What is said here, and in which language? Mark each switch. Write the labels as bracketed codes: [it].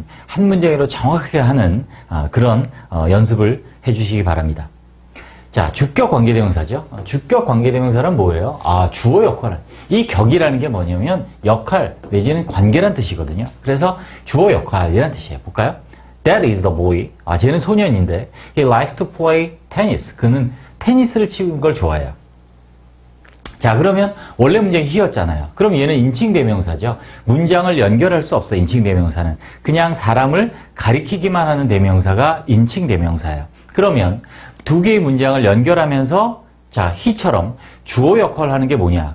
[ko] 한 문장으로 정확하게 하는 연습을 해주시기 바랍니다. 자, 주격 관계대명사죠. 주격 관계대명사란 뭐예요? 주어 역할은. 이 격이라는 게 뭐냐면 역할 내지는 관계란 뜻이거든요. 그래서 주어 역할이란 뜻이에요. 볼까요? [en] That is the boy. [ko] 쟤는 소년인데 [en] He likes to play tennis. [ko] 그는 테니스를 치는 걸 좋아해요. 자, 그러면 원래 문장이 he였잖아요. 그럼 얘는 인칭대명사죠. 문장을 연결할 수 없어요. 인칭대명사는. 그냥 사람을 가리키기만 하는 대명사가 인칭대명사예요. 그러면 두 개의 문장을 연결하면서 자, he처럼 주어 역할을 하는 게 뭐냐.